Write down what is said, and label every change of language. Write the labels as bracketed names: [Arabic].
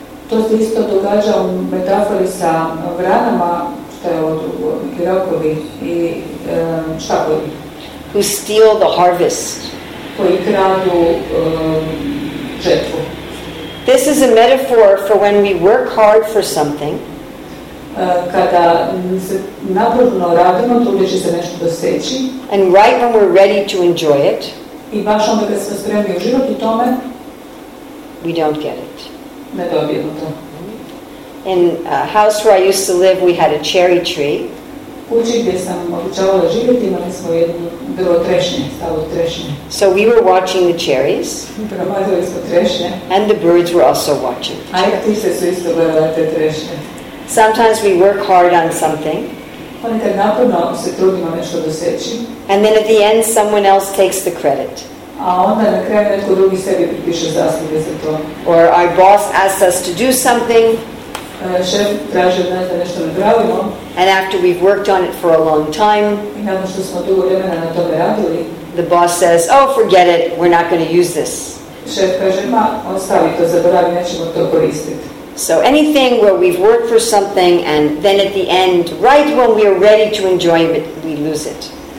[Croatian] To se isto događa u metafori sa vranama, što je od grokovi i štakovi. [English] Who steal the harvest. [Croatian] Koji kradu žetvu. [English] This is a metaphor for when we work hard for something. [Croatian] Kada se naporno radimo, trudit će se nešto doseći. [English] And right when we're ready to enjoy it. [Croatian] I baš onda kad smo spremni uživati u tome. [English] We don't get it. [Croatian] Ne dobijemo to. [English] In a house where I used to live, we had a cherry tree. [Croatian] Kući gdje sam običavala živjeti, imali smo jedno drvo trešnje, stalo trešnje. [English] So we were watching the cherries. [Croatian] Promatrali smo trešnje. [English] And the birds were also watching. [Croatian] A i ptice su isto gledale te trešnje. [English] Sometimes we work hard on something. [Croatian] Ponekad naporno se trudimo nešto doseći. [English] And then at the end, someone else takes the credit. [Croatian] A onda na kraju neko drugi sebi pripiše zasluge za to. [English] Or our boss asks us to do something. [Croatian] Šef traži od nas da nešto napravimo. [English] And after we've worked on it for a long time. [Croatian] I nakon što smo dugo vremena na tome radili. [English] The boss says, oh, forget it, we're not going to use this. [Croatian] Šef kaže, ma, ostavi to, zaboravi, nećemo to koristiti. [English] So anything where we've worked for something and then at the end, right when we are ready to enjoy it, we lose it.